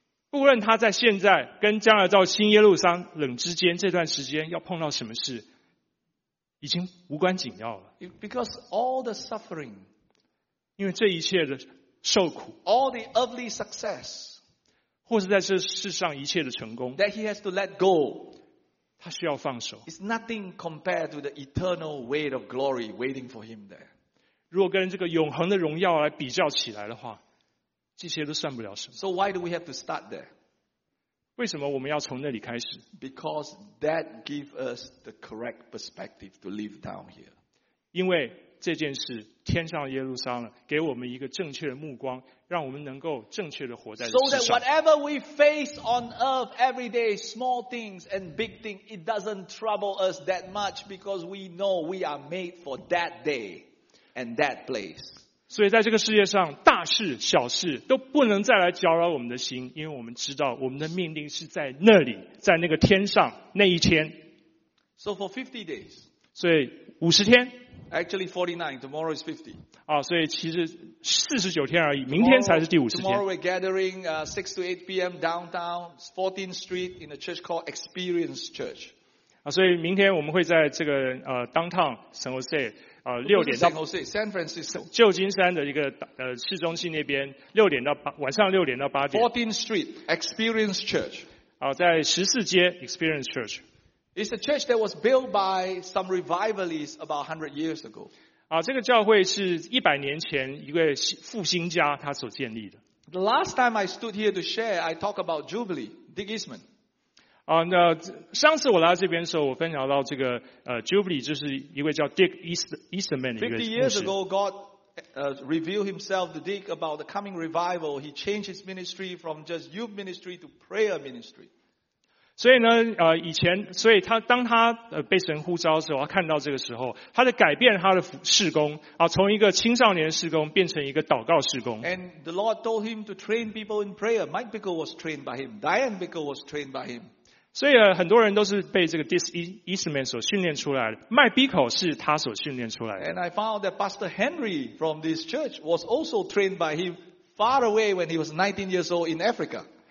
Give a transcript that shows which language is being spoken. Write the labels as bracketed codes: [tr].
[zh] 不论他在现在跟将来到新耶路撒冷之间这段时间要碰到什么事，已经无关紧要了。 [en] Because all the suffering, [zh] 因为这一切的受苦 [en] ，all the earthly success. [zh] 或是在这世上一切的成功 [en] that he has to let go, [zh] 他需要放手 [en] It's nothing compared to the eternal weight of glory waiting for him there. [zh] 如果跟这个永恒的荣耀来比较起来的话，这些都算不了什么。 [en] So why do we have to start there? [zh] 为什么我们要从那里开始？ [en] Because that gives us the correct perspective to live down here. [zh] 因为这件事天上耶路撒冷给我们一个正确的目光，让我们能够正确的活在世上。 [en] So that whatever we face on earth every day, small things and big things, it doesn't trouble us that much because we know we are made for that day and that place. [zh] 所以在这个世界上，大事小事都不能再来搅扰我们的心，因为我们知道我们的命定是在那里，在那个天上那一天。 [en] So for 50 days. [zh] 所以五十天。 [en] Actually 49, tomorrow is 50. [zh] 所以其实49天而已，明天才是第50天。 [en] Tomorrow we're gathering 6 to 8 p.m. downtown, 14th Street in a church called Experience Church. [zh] 所以明天我们会在这个downtown San Jose, 6点到 [en] San Jose, San Francisco. [zh] 旧金山的一个市中心那边6点到8晚上6点到8点。 [en] 14th Street, Experience Church. [zh] 在14街 Experience Church. [en] It's a church that was built by some revivalists about 100 years ago. [zh] 这个教会是100年前一位复兴家他所建立的。 [en] The last time I stood here to share, I talked about Jubilee, Dick Eastman. [zh] 那上次我来到这边的时候，我分享到这个Jubilee 就是一位叫 Dick Eastman 的一个牧师。 [en] 50 years ago, God revealed himself to Dick about the coming revival. He changed his ministry from just youth ministry to prayer ministry. [zh] 所以呢，以前，所以他当他被神呼召的时候，他看到这个时候，他的改变他的事工啊，从一个青少年事工变成一个祷告事工。 [en] And the Lord told him to train people in prayer. Mike Bickle was trained by him. Diane Bickle was trained by him. [zh] 所以很多人都是被这个 Dick Eastman 所训练出来的。 Mike Bickle 是他所训练出来的。 [en] And I found that Pastor Henry from this church was also trained by him far away when he was 19 years old in Africa.